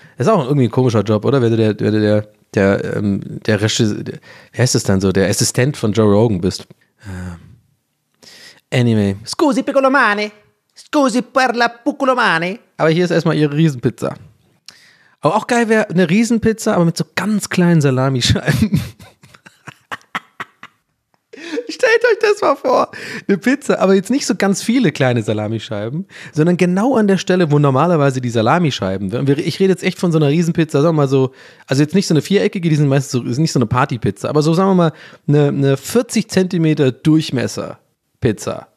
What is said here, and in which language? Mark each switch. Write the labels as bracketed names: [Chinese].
[German] Das ist auch irgendwie ein komischer Job, oder? Wenn du der Regisseur, wie heißt das dann so? Der Assistent von Joe Rogan bist. [English] Anyway. [Italian] Scusi, piccolo mani. Scusi per la piccolo mani. [German] Aber hier ist erstmal ihre Riesenpizza. Aber auch geil wäre eine Riesenpizza, aber mit so ganz kleinen Salamischeiben. Stellt euch das mal vor. Eine Pizza, aber jetzt nicht so ganz viele kleine Salamischeiben, sondern genau an der Stelle, wo normalerweise die Salamischeiben, ich rede jetzt echt von so einer Riesenpizza, sagen wir mal so, also jetzt nicht so eine viereckige, die sind meistens so, ist nicht so eine Partypizza, aber so sagen wir mal eine 40 cm Durchmesser-Pizza.